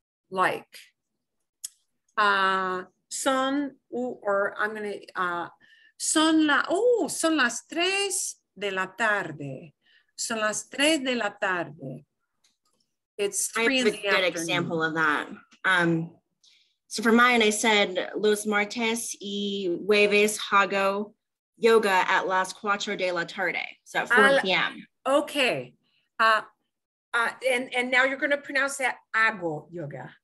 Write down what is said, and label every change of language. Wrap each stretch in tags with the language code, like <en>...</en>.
<en>Like,</en> <es>son,</es> <en>or I'm going to,</en> <es>son las tres de la tarde. Son las tres de la tarde.</es> <en>It's three in the afternoon. I have a good example of that. So for mine, I said,</en> <es>los martes y jueves hago yoga</es> <en>at</en> <es>las cuatro de la tarde.</es> <en>So at 4 p.m. Okay. And now you're going to pronounce that</en> <es>hago yoga.</es>